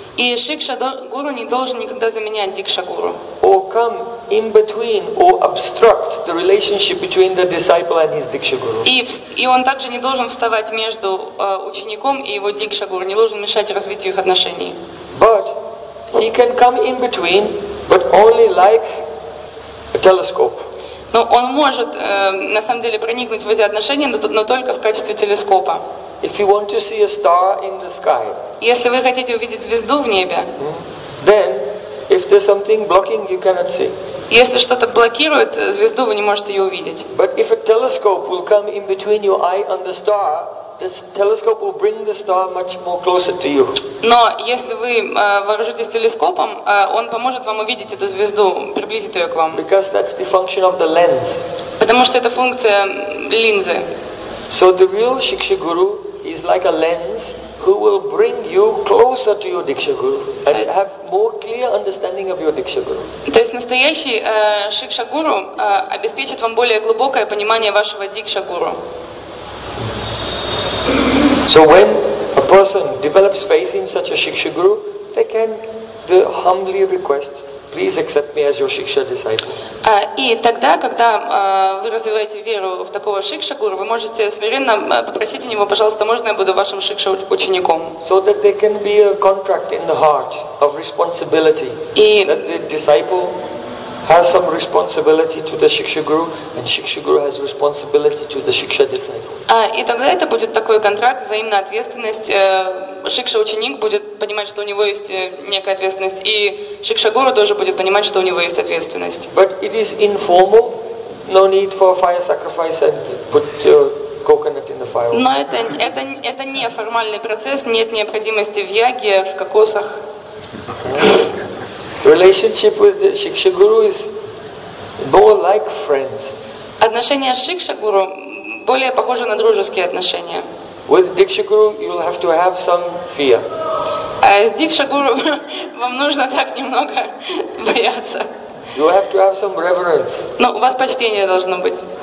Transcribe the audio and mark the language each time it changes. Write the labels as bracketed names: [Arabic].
[Russian] И Шикша Гуру не должен никогда заменять Дикша Гуру. [English] Or come in between, or obstruct the relationship between the disciple and his Diksha Guru. [Russian] И он также не должен вставать между учеником и его Дикша Гуру, не должен мешать развитию их отношений. [English] But he can come in between, but only like a telescope. [Russian] Но он может, на самом деле, проникнуть в эти отношения, но только в качестве телескопа. [English] If you want to see a star in the sky, [Russian] если вы хотите увидеть звезду в небе, [English] then if there's something blocking, you cannot see. [Russian] Если что-то блокирует звезду, вы не можете ее увидеть. [English] But if a telescope will come in between your eye and the star, this telescope will bring the star much more closer to you. [Russian] Но если вы вооружитесь телескопом, он поможет вам увидеть эту звезду, приблизит ее к вам. [English] Because that's the function of the lens. [Russian] Потому что это функция линзы. [English] So the real Shiksha Guru is like a lens who will bring you closer to your Diksha Guru and have more clear understanding of your Diksha Guru. [Russian] То есть настоящий Шикша Гуру обеспечит вам более глубокое понимание вашего Дикша Гуру. [English] So when a person develops faith in such a Shiksha Guru, they can humbly request, please accept me as your Shiksha disciple. [Russian] И тогда, когда вы развиваете веру в такого Шикша Гуру, вы можете смиренно попросить у него, пожалуйста, можно я буду вашим Шикша учеником? [English] So that there can be a contract in the heart of responsibility. [Russian] И [English] that the disciple has some responsibility to the Shiksha Guru, and Shiksha Guru has responsibility to the Shiksha disciple. [Russian] И тогда это будет такой контракт, взаимная ответственность. Шикша ученик будет понимать, что у него есть некая ответственность, и Шикша Гуру тоже будет понимать, что у него есть ответственность. [English] But it is informal, no need for fire sacrifice and put coconut in the fire. [Russian] Но это не формальный процесс, нет необходимости в яге, в кокосах. [English] Relationship with the Shiksha Guru is more like friends. [Russian] Отношения с Шикша Гуру более похожи на дружеские отношения. [English] With Diksha Guru you'll have to have some fear. [Russian] А с Дикша Гуру вам нужно так немного бояться. [English] You have to have some reverence. [Russian] Но у вас почтение должно быть.